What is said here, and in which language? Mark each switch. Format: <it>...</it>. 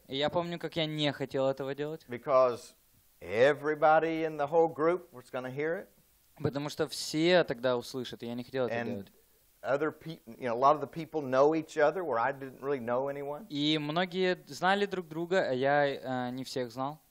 <ru>И я помню, как я не хотел этого делать.</ru> <en>Because everybody in the whole group was going to hear it.</en> <ru>Потому что все тогда услышат, и я не хотел этого делать.</ru> <en>Other people, you know, a lot of the people know each other, where I didn't really know anyone.</en> <ru>И многие знали друг друга, а я не всех знал.</ru>